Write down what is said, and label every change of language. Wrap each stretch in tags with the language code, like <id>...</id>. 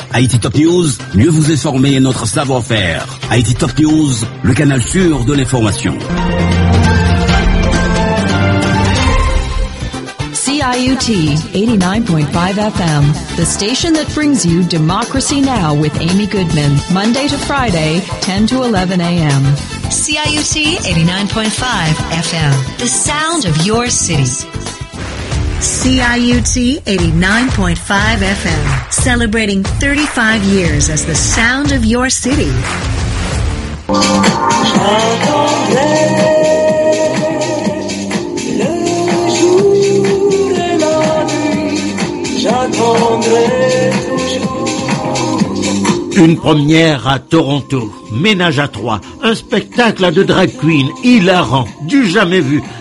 <fr>Haïti Top News, mieux vous informer et notre savoir-faire. Haïti Top News, le canal sûr de l'information.</fr> <en>CIUT 89.5 FM, the station that brings you Democracy Now! With Amy Goodman, Monday to Friday, 10 to 11 a.m. CIUT 89.5 FM, the sound of your city. CIUT 89.5 FM, celebrating 35 years as the sound of your city.</en> <fr>J'attendrai le jour et la nuit, j'attendrai toujours. Une première à Toronto, ménage à trois, un spectacle de drag queen hilarant, du jamais vu.</fr>